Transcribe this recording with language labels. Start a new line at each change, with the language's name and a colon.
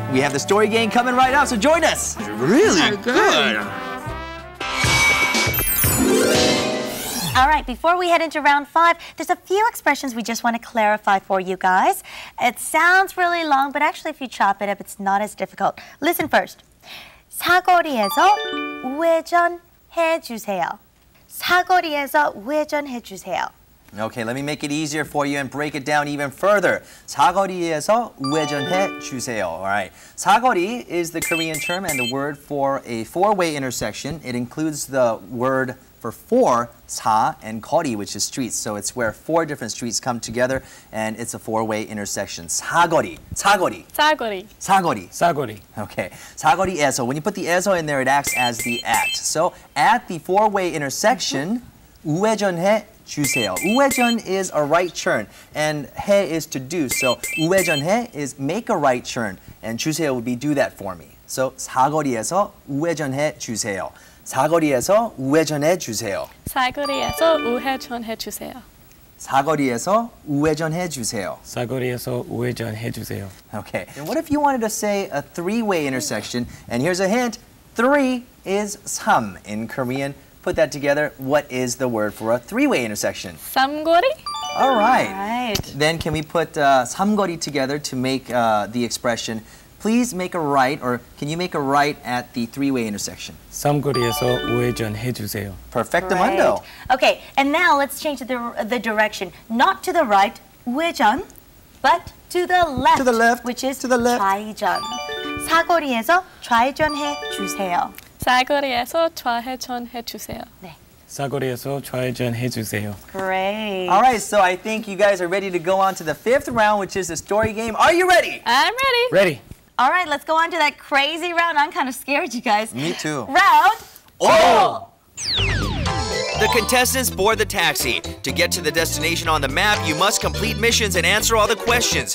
English: We have the story game coming right up, so join us. Really good. All right, before we head into round five, there's a few expressions we just want to clarify for you guys. It sounds really long, but actually if you chop it up, it's not as difficult. Listen first.
Korean: 사거리에서 회전해 주세요. 사거리에서 회전해 주세요.
English: Okay, let me make it easier for you and break it down even further.
Korean: 사거리에서 회전해 주세요.
English: All right. 사거리 is the Korean term and the word for a four-way intersection. It includes the word for four, 사, and 거리, which is streets. So it's where four different streets come together, and it's a four-way intersection.
Korean: 사거리. 사거리. 사거리. 사거리. 사거리. Okay. 사거리에서.
English: When you put the 에서 in there, it acts as the at. So at the four-way intersection,
Korean: 회전해 주세요.
English: 우회전 is a right turn, and 해 is to do. So 우회전해 is make a right turn, and 주세요 would be do that for me.
Korean: So 사거리에서 우회전해 주세요. 사거리에서 우회전해 주세요. 사거리에서 우회전해 주세요. 사거리에서 우회전해 주세요. 사거리에서 우회전해 주세요.
English: Okay. And what if you wanted to say a three-way intersection? And here's a hint: three is 삼 in Korean. Put that together. What is the word for a three-way intersection?
Korean: 삼거리.
English: All right. Then can we put 삼거리 together to make the expression? Please make a right, or can you make a right at the three-way intersection?
Korean: 삼거리에서 우회전해 주세요.
English: Perfectamundo. Right. Okay, and now let's change the direction. Not to the right, 우회전, but to the left. To the left. Which is to the left.
Korean: 좌회전. 사거리에서 좌회전해 주세요. 사거리에서 좌회전해 주세요. 네. 사거리에서 좌회전해 주세요.
English: Great. All right, so I think you guys are ready to go on to the fifth round, which is the story game. Are you ready? I'm ready. Ready. All right, let's go on to that crazy round. I'm kind of scared, you guys. Me too. Round two. The contestants board the taxi. To get to the destination on the map, you must complete missions and answer all the questions.